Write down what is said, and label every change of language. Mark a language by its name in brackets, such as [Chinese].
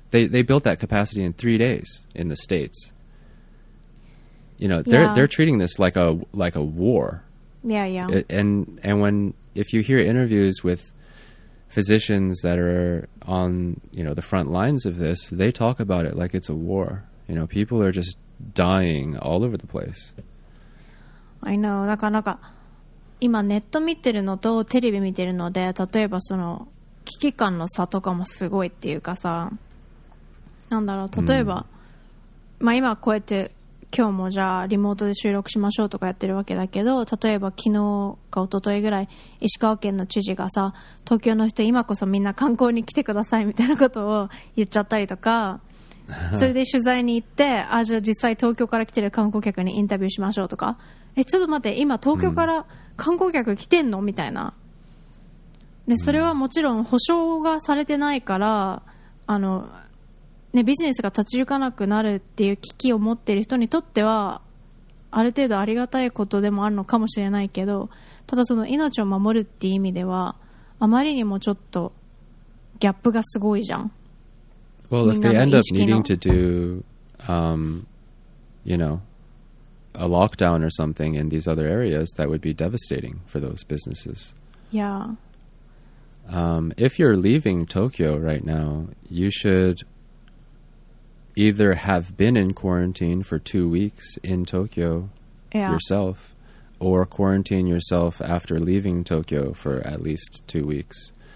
[English] They built that capacity in 3 days in the States. You know, they're treating this like a war. Yeah, yeah. And when if you hear interviews with physicians that are on, you know, the front lines of this, they talk about it like it's a war. You know, people are just dying all over the place. I know. [Japanese] だからなんか今ネット見てるのとテレビ見てるので、例えばその危機感の差とかもすごいっていうかさ、なんだろう、例えば、まあ今こうやって今日もじゃあリモートで収録しましょうとかやってるわけだけど、例えば昨日か一昨日ぐらい石川県の知事がさ、東京の人今こそみんな観光に来てくださいみたいなことを言っちゃったりとか、それで取材に行って、あ、じゃあ実際東京から来てる観光客にインタビューしましょうとか、え、ちょっと待って、今東京から観光客来てんのみたいな。で、それはもちろん保証がされてないから、あの、ね、ビジネスが立ち行かなくなるっていう危機を持ってる人にとってはある程度ありがたいことでもあるのかもしれないけど、ただその命を守るっていう意味ではあまりにもちょっとギャップがすごいじゃん。 [English] Well, if they end up needing to do you know, a lockdown or something in these other areas, that would be devastating for those businesses. Yeah. If you're leaving Tokyo right now, you shouldeither have been in quarantine for 2 weeks in Tokyo yourself or quarantine yourself after leaving Tokyo for at least 2 weeks.